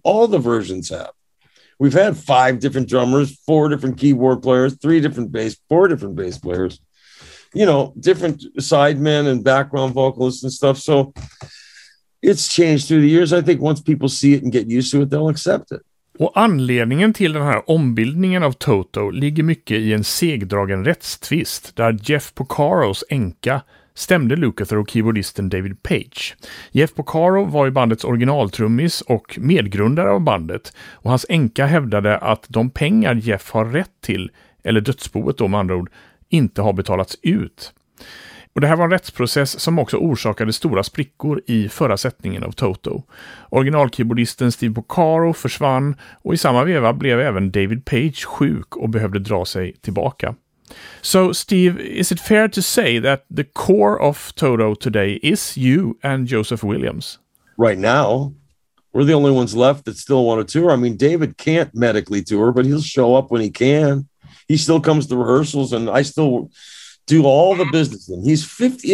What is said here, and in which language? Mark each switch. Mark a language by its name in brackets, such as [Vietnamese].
[English] All the versions have. We've had 5 different drummers, 4 different keyboard players, 3 different bass, 4 different bass players, you know, different sidemen and background vocalists and stuff. So it's changed through the years. I think once people see it and get used to it, they'll accept it. [Swedish] Och anledningen till den här ombildningen av Toto ligger mycket i en segdragen rättstvist där Jeff Porcaros änka stämde Lukather och keyboardisten David Page. Jeff Porcaro var ju bandets originaltrummis och medgrundare av bandet och hans änka hävdade att de pengar Jeff har rätt till, eller dödsboet då med andra ord, inte har betalats ut. Och det här var en rättsprocess som också orsakade stora sprickor i förra sättningen av Toto. Originalkeyboardisten Steve Porcaro försvann och i samma veva blev även David Page sjuk och behövde dra sig tillbaka. [English] So, Steve, is it fair to say that the core of Toto today is you and Joseph Williams? Right now, we're the only ones left that still want to tour. I mean, David can't medically tour, but he'll show up when he can. He still comes to rehearsals, and I still do all the business. And he's 50.